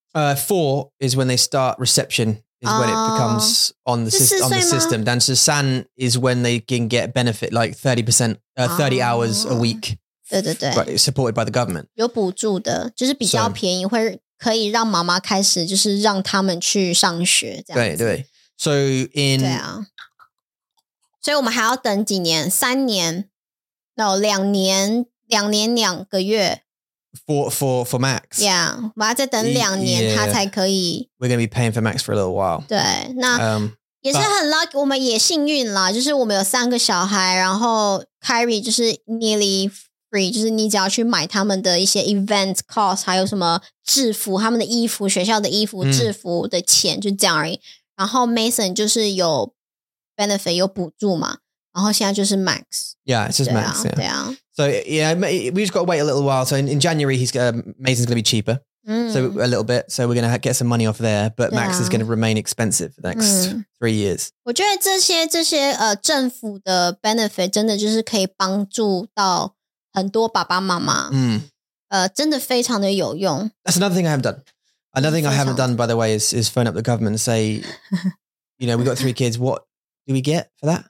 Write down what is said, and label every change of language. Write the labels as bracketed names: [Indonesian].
[English] Four is when they start reception, is when it becomes on the, on the system. [Chinese] 但是三 [English] is when they can get benefit, like 30%, 30 hours a week. [Chinese] 对对对。 [English] Supported by the government. [Chinese] 有补助的,就是比较便宜, 会, 可以让妈妈开始就是让他们去上学这样子。对对 [English] So in [Chinese] 所以我们还要等几年 三年 No 两年两个月 [English] For Max [Chinese] Yeah 我们要再等两年 yeah. 他才可以 [English] We're gonna be paying for Max for a little while [Chinese] 对那 也是很 lucky 我们也幸运啦 就是我们有三个小孩 然后 Kyrie 就是 [English] nearly Free, [Chinese] 就是你只要去买他们的一些 [English] event cost [Chinese] 还有什么制服 他们的衣服 学校的衣服 制服的钱 就这样而已 然后 Mason 就是有 benefit 有补助嘛 然后现在就是 Max [English] Yeah it's just [Chinese] 对啊, [English] Max yeah. [Chinese] 对啊 [English] So yeah we just gotta wait a little while So in January he's Mason's gonna be cheaper So a little bit So we're gonna get some money off there But Max is gonna remain expensive For the next 3 years [Chinese] 我觉得这些 政府的 benefit 真的就是可以帮助到 很多爸爸妈妈 真的非常的有用 [English] That's another thing I haven't done Another thing I haven't done by the way is phone up the government and say You know we got three kids What do we get for that?